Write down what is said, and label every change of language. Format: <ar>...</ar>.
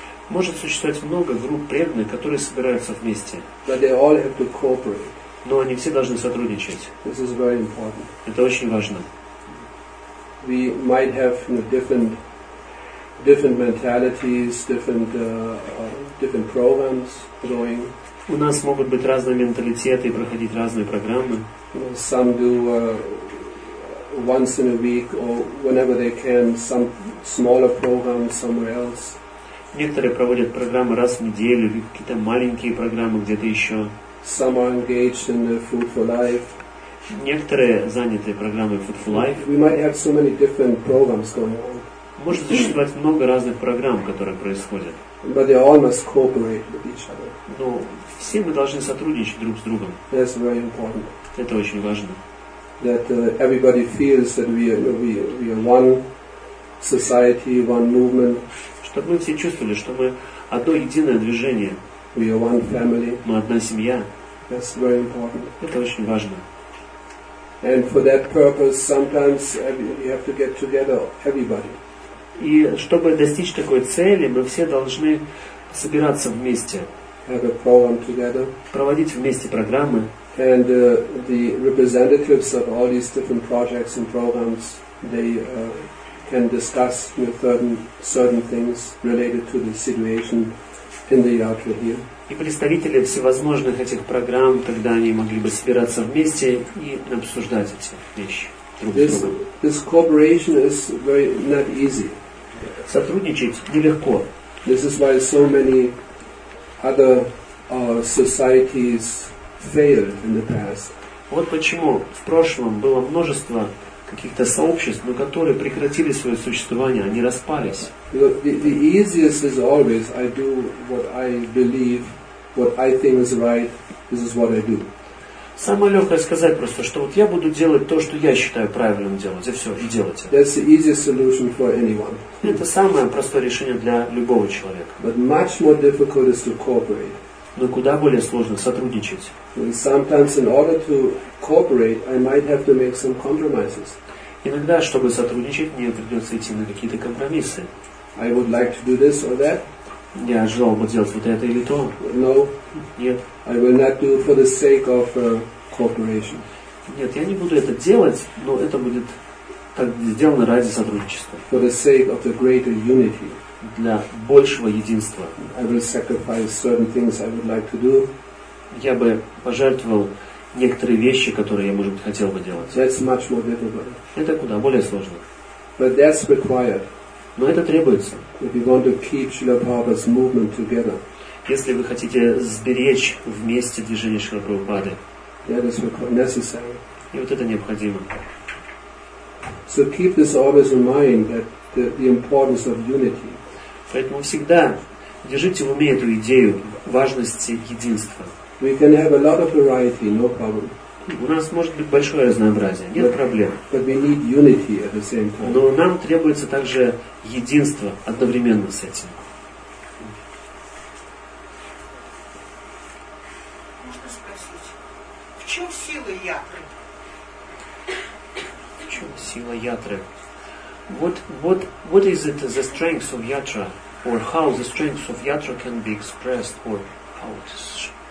<ru>Может существовать много групп преданных, которые собираются вместе.</ru> <en>But they all have to cooperate.</en> <ru>Но они все должны сотрудничать.</ru> <en>This is very important.</en> <ru>Это очень важно.</ru> <en>We might have, you know, different mentalities, different programs going.</en> <ru>У нас могут быть разные менталитеты и проходить разные программы.</ru> <en>Some do once in a week or whenever they can, some smaller programs somewhere else.</en> <ru>Некоторые проводят программы раз в неделю, какие-то маленькие программы где-то еще.</ru> <en>Some are engaged in the Food for Life.</en> <ru>Некоторые заняты программой Food for Life.</ru> <en>We might have so many different programs going on.</en> <ru>Может существовать много разных программ, которые происходят.</ru> <en>But they all must cooperate with each other.</en> <ru>Но все мы должны сотрудничать друг с другом.</ru> <en>That's very important.</en> <ru>Это очень важно.</ru> <en>That everybody feels that we are one society, one movement.</en> <ru>Чтобы мы все чувствовали, что мы одно единое движение.</ru> <en>We are one family.</en> <ru>Мы одна семья.</ru> <en>That's very important.</en> <ru>Это очень важно.</ru> <en>And for that purpose, sometimes you have to get together everybody.</en> <ru>И чтобы достичь такой цели, мы все должны собираться вместе.</ru> <en>Have a program together.</en> <ru>Проводить вместе программы.</ru> <en>And the representatives of all these different projects and programs, they can discuss, you know, certain things related to the situation in the yatra here.</en> <ru>И представители всевозможных этих программ, тогда они могли бы собираться вместе и обсуждать эти вещи друг с другом.</ru> <en>This cooperation is very not easy.</en> <ru>Сотрудничать нелегко.</ru> <en>This is why so many other societies failed in the past.</en> <ru>Вот почему в прошлом было множество каких-то сообществ, но которые прекратили свое существование, они распались.</ru> <en>The easiest is always I do what I believe, what I think is right, this is what I do.</en> <ru>Самое легкое сказать просто, что вот я буду делать то, что я считаю правильным делать, и все, и делать это.</ru> <en>That's the easiest solution for anyone.</en> <ru>Это самое простое решение для любого человека.</ru> <en>But much more difficult is to cooperate.</en> <ru>Но куда более сложно сотрудничать.</ru> <en>Sometimes in order to cooperate, I might have to make some compromises.</en> <ru>Иногда, чтобы сотрудничать, мне придется идти на какие-то компромиссы.</ru> <en>I would like to do this or that.</en> <ru>Я желал бы делать вот это или то.</ru> <en>No.</en> <ru>Нет.</ru> <en>I will not do for the sake of cooperation.</en> <ru>Нет, я не буду это делать, но это будет так сделано ради сотрудничества.</ru> <en>For the sake of the greater unity.</en> <ru>Для большего единства.</ru> <en>I will sacrifice certain things I would like to do.</en> <ru>Я бы пожертвовал некоторые вещи, которые я, может быть, хотел бы делать.</ru> <en>That's much more difficult.</en> <ru>Это куда более сложно.</ru> <en>But that's required.</en> <ru>Но это требуется.</ru> <en>If you want to keep Srila Prabhupada's movement together.</en> <ru>Если вы хотите сберечь вместе движение Шрила Прабхупады.</ru> <en>That is necessary.</en> <ru>И вот это необходимо.</ru> <en>So keep this always in mind that the importance of unity.</en> <ru>Поэтому всегда держите в уме эту идею важности единства.</ru> <en>We can have a lot of variety, no problem.</en> <ru>У нас может быть большое разнообразие, нет проблем.</ru> <en>But we need unity at the same time.</en> <ru>Но нам требуется также единство одновременно с этим. Можно спросить, в чем сила ятры? В чем сила ятры?</ru> <en>What is it the strength of yatra, or how the strength of yatra can be expressed, or how it is?</en>